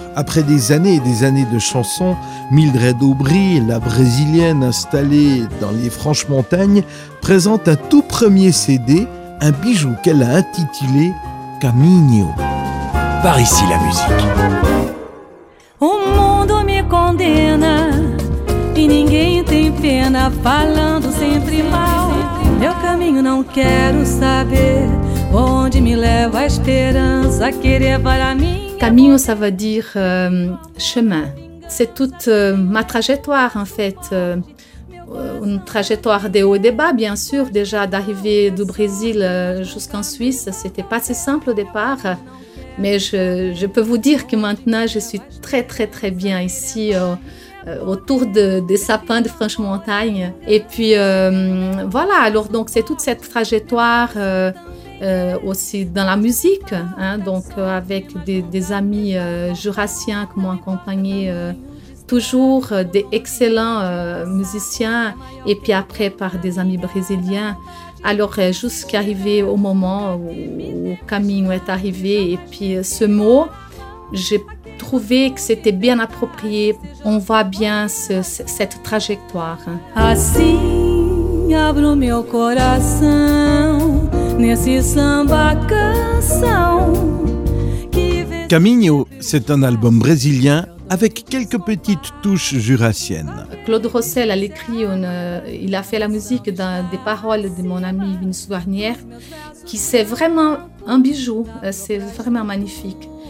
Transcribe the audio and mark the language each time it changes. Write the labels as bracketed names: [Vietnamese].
[French] Après des années et des années de chansons, Mildred Aubry, la Brésilienne installée dans les Franches Montagnes, présente un tout premier CD, un bijou qu'elle a intitulé Caminho. Par ici la musique. [Portuguese] O mundo me condena e ninguém tem pena, falando sempre mal. Meu caminho não quero saber. Onde me leva a esperança, querer para mim? [French] Caminho, ça veut dire chemin. C'est toute ma trajectoire, en fait. Une trajectoire de haut et de bas, bien sûr. Déjà, d'arriver du Brésil jusqu'en Suisse, c'était pas si simple au départ. Mais je peux vous dire que maintenant, je suis très, très, très bien ici. Autour des sapins de Franche-Montagne. Et puis, voilà, alors donc, c'est toute cette trajectoire aussi dans la musique, hein, donc avec des amis jurassiens qui m'ont accompagné toujours, des excellents musiciens, et puis après par des amis brésiliens. Alors, jusqu'à arriver au moment où Caminho est arrivé, et puis ce mot, j'ai trouvé que c'était bien approprié. On voit bien cette trajectoire. [Portuguese] Assim abro meu coração nesse samba canção. [French] Caminho, c'est un album brésilien avec quelques petites touches jurassiennes. Claude Rossel a écrit, il a fait la musique dans des paroles de mon ami Vinicius Garnier, qui c'est vraiment un bijou, c'est vraiment magnifique.